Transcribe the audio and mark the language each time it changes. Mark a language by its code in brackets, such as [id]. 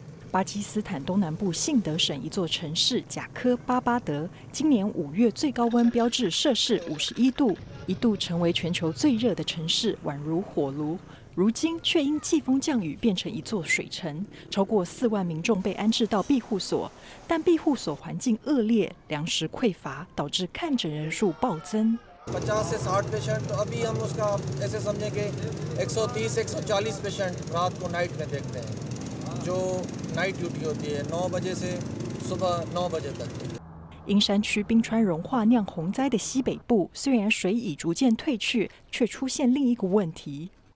[zh] 巴基斯坦东南部信德省一座城市贾科巴巴德，今年5月最高温标志摄氏51度，一度成为全球最热的城市，宛如火炉。如今却因季风降雨变成一座水城，超过4万民众被安置到庇护所，但庇护所环境恶劣，粮食匮乏，导致看诊人数暴增。 [hi] 50-60 patient，तो अभी हम उसका ऐसे समझे कि 130-140 patient रात को night में देखते हैं, जो night duty होती है 9 बजे से सुबह 9 बजे तक。 [zh] 因山区冰川融化酿洪灾的西北部，虽然水已逐渐退去，却出现另一个问题。